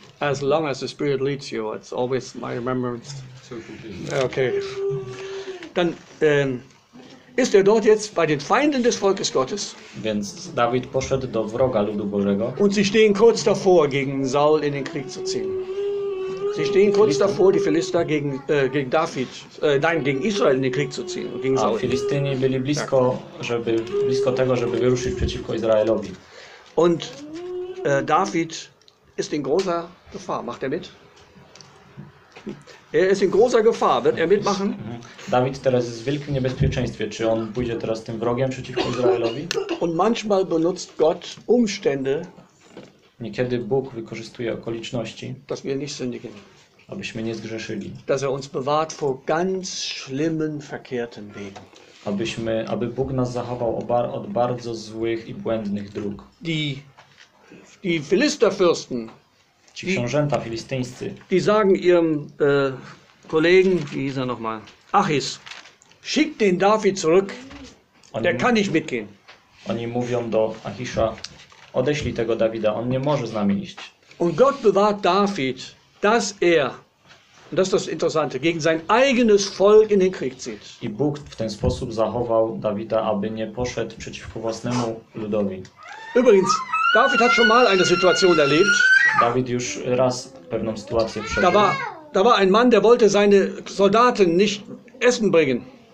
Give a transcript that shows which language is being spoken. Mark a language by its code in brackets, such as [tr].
[en] As long as the Spirit leads you, it's always my remembrance. Okay. [de] Dann ist dort jetzt bei den Feinden des Volkes Gottes. [pl] Więc David poszedł do wroga ludu Bożego. [de] Und sie stehen kurz davor, gegen Saul in den Krieg zu ziehen. Sie stehen kurz davor, die Philister gegen Israel in den Krieg zu ziehen. Gegen Saul. [pl] A Filistyni byli blisko, tak. Żeby blisko tego, żeby wyruszyć przeciwko Izraelowi. [de] Und David ist in großer Gefahr. Macht er mit? Er ist in großer Gefahr. Wird er mitmachen? [pl] David teraz jest w wielkim niebezpieczeństwie. Czy on pójdzie teraz tym wrogiem przeciwko Izraelowi? [de] Und manchmal benutzt Gott Umstände. [pl] Niekiedy Bóg wykorzystuje okoliczności, [de] dass wir nicht sündigen. [pl] Abyśmy nie zgrzeszyli. [de] Dass er uns bewahrt vor ganz schlimmen, verkehrten Wegen. [pl] Aby Bóg nas zachował od bardzo złych i błędnych dróg. [de] Die Philisterfürsten, [pl] ci książęta filistyńscy, [de] die sagen ihrem Kollegen, wie hieß er nochmal, Achis, schick den David zurück, der kann nicht mitgehen. [pl] Oni mówią do Achisza, odeślij tego Dawida, on nie może z nami iść. [de] Und Gott bewahrt David, dass er, und das ist das Interessante, gegen sein eigenes Volk in den Krieg zieht. [pl] I Bóg w ten sposób zachował Dawida, aby nie poszedł przeciwko własnemu ludowi. [de] Übrigens, David hat schon mal eine Situation erlebt. [pl] David już raz pewną sytuację przeżył. [de] Da war ein Mann, der wollte seine Soldaten nicht essen bringen.